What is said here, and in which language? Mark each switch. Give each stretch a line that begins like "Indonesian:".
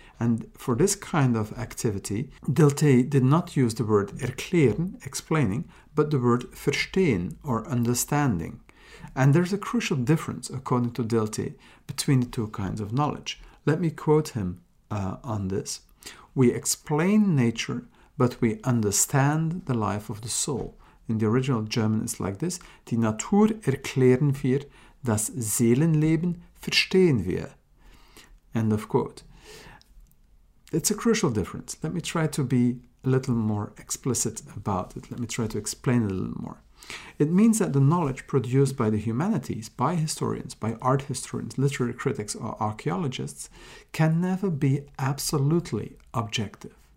English: And for this kind of activity, Dilthey did not use the word erklären, explaining, but the word verstehen, or understanding. And there's a crucial difference, according to Dilthey, between the two kinds of knowledge. Let me quote him on this. We explain nature, but we understand the life of the soul. In the original German, it's like this.
German: Die Natur erklären wir, das Seelenleben verstehen wir.
English: End of quote. It's a crucial difference. Let me try to be a little more explicit about it. Let me try to explain it a little more. It means that the knowledge produced by the humanities, by historians, by art historians, literary critics, or archaeologists, can never be absolutely objective.